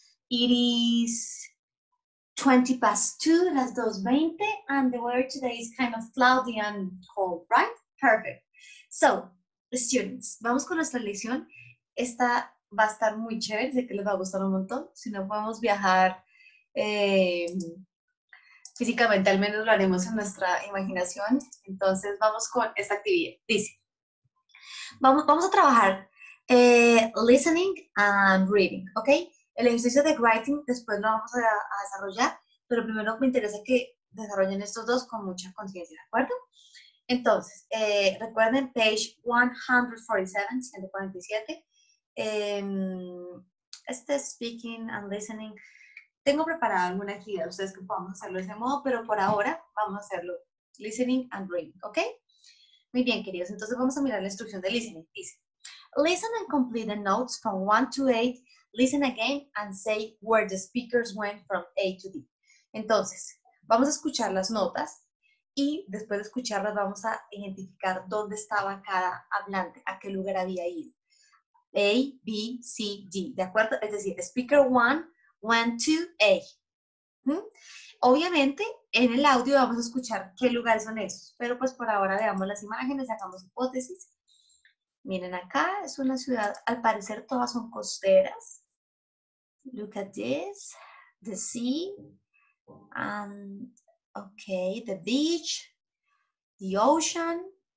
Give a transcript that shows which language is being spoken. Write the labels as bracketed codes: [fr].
[en] It is 20 past 2, las 2:20, and the weather today is kind of cloudy and cold, right? [es] Perfect. So, students, vamos con nuestra lección. Esta va a estar muy chévere, sé que les va a gustar un montón. Si no podemos viajar físicamente, al menos lo haremos en nuestra imaginación. Entonces, vamos con esta actividad. Dice, vamos a trabajar listening and reading, ¿ok? El ejercicio de writing después lo vamos a desarrollar, pero primero me interesa que desarrollen estos dos con mucha conciencia, ¿de acuerdo? Entonces, recuerden, page 147, este speaking and listening. Tengo preparada alguna actividad, ustedes que podamos hacerlo de ese modo, pero por ahora vamos a hacerlo listening and reading, ¿ok? Muy bien, queridos, entonces vamos a mirar la instrucción de listening. [en] Dice, listen and complete the notes from 1 to 8, listen again and say where the speakers went from A to D. [es] Entonces, vamos a escuchar las notas y después de escucharlas vamos a identificar dónde estaba cada hablante, a qué lugar había ido. A, B, C, D, ¿de acuerdo? Es decir, speaker 1, went to A. Obviamente, en el audio vamos a escuchar qué lugares son esos, pero pues por ahora veamos las imágenes, hagamos hipótesis. Miren acá, es una ciudad, al parecer todas son costeras. [en] Look at this, the sea, and okay, the beach, the ocean.